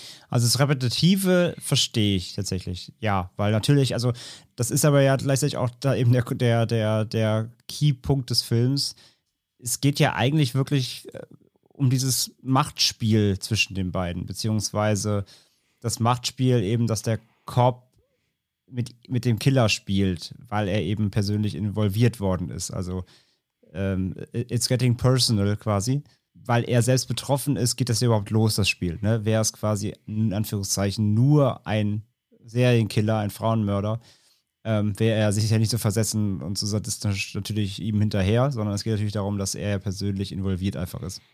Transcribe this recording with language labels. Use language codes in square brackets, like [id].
[de] Also das Repetitive verstehe ich tatsächlich, ja, weil natürlich, also das ist aber ja gleichzeitig auch da eben der Keypunkt des Films. Es geht ja eigentlich wirklich um dieses Machtspiel zwischen den beiden, beziehungsweise das Machtspiel eben, dass der Cop mit dem Killer spielt, weil er eben persönlich involviert worden ist. [en] Also it's getting personal quasi. [de] Weil er selbst betroffen ist, geht das überhaupt los, das Spiel. Ne? Wäre es quasi in Anführungszeichen nur ein Serienkiller, ein Frauenmörder, wäre er sich ja nicht so versessen und so sadistisch natürlich ihm hinterher, sondern es geht natürlich darum, dass er persönlich involviert einfach ist.